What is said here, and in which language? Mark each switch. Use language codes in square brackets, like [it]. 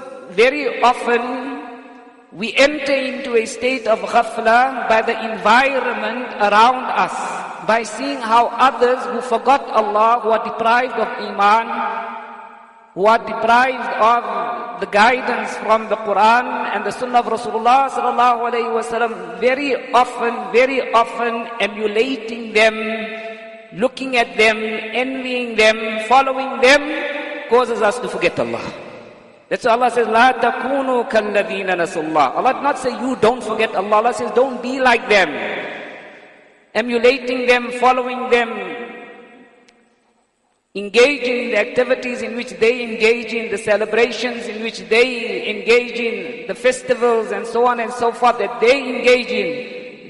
[en] Very often, we enter into a state of ghafla by the environment around us, by seeing how others who forgot Allah, who are deprived of iman, who are deprived of the guidance from the Quran and the Sunnah of Rasulullah sallallahu alaihi wasallam, very often emulating them, looking at them, envying them, following them, causes us to forget Allah. That's why Allah says, [ar] لَا تَكُونُوا كَالَّذِينَ نَسُوا اللَّهِ. [en] Allah did not say, you don't forget Allah. Allah says, don't be like them. Emulating them, following them, engaging in the activities in which they engage in, the celebrations in which they engage in, the festivals and so on and so forth that they engage in.